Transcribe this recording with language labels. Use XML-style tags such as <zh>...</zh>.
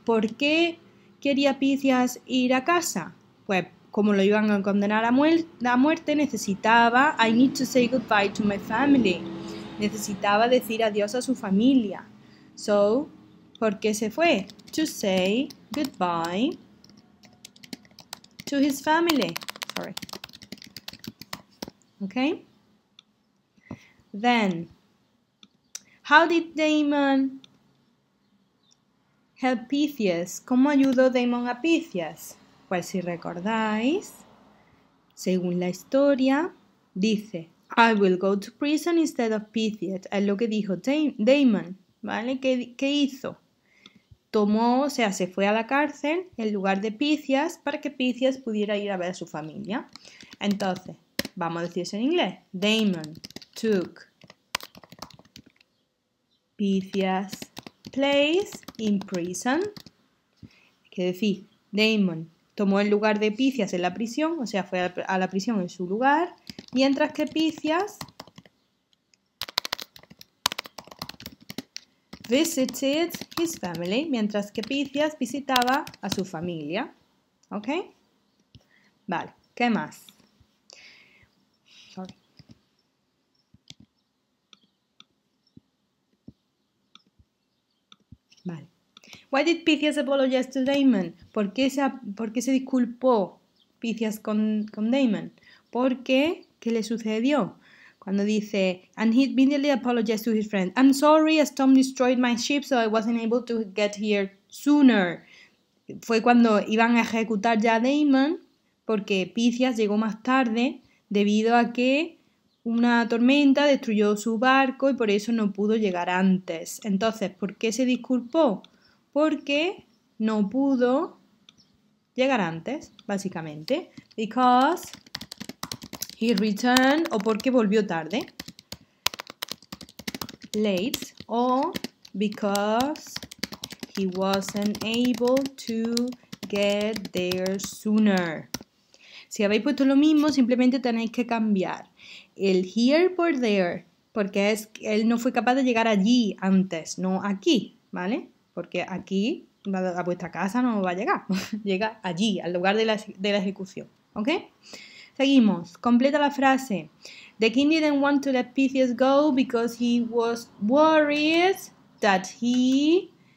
<es>¿Por qué quería Pythias ir a casa? Pues como lo iban a condenar a muerte, necesitaba,</es> <en>I need to say goodbye to my family.</en> <es>Necesitaba decir adiós a su familia. So, ¿por qué se fue?</es> <en>To say goodbye to his family. Sorry. Okay. Then, how did Daemon help Pythias?</en> <es>¿Cómo ayudó Daemon a Pythias? Pues si recordáis, según la historia, dice,</es> <en>I will go to prison instead of Pythias.</en> <es>Es lo que dijo Daemon, ¿vale? ¿Qué hizo? Se fue a la cárcel en lugar de Pythias para que Pythias pudiera ir a ver a su familia. Entonces, vamos a decir eso en inglés.</es> <en>Daemon took Pythias' place in prison.</en> <es>¿Qué decir? Daemon tomó el lugar de Pythias en la prisión, o sea, fue a la prisión en su lugar, mientras que Pythias</es> <en>visited his family,</en> <es>mientras que Pythias visitaba a su familia. ¿Ok? Vale, ¿qué más?</es> <en>Why did Pythias apologize to Daemon?</en> <es>¿Por qué se disculpó Pythias con Daemon? ¿Por qué? ¿Qué le sucedió? Cuando dice,</es> <en>and he immediately apologized to his friend. I'm sorry, a storm destroyed my ship, so I wasn't able to get here sooner.</en> <es>Fue cuando iban a ejecutar ya a Daemon, porque Pythias llegó más tarde debido a que una tormenta destruyó su barco y por eso no pudo llegar antes. Entonces, ¿por qué se disculpó? Porque no pudo llegar antes, básicamente.</es> <en>Because he returned,</en> <es>o porque volvió tarde.</es> <en>Late, o because he wasn't able to get there sooner.</en> <es>Si habéis puesto lo mismo, simplemente tenéis que cambiar el here por there. Porque es que él no fue capaz de llegar allí antes, no aquí, ¿vale? Porque aquí, a vuestra casa, no va a llegar. Llega allí, al lugar de la ejecución. ¿Ok? Seguimos. Completa la frase.</es> <en>The king didn't want to let Pythias go because he was worried that he...</en>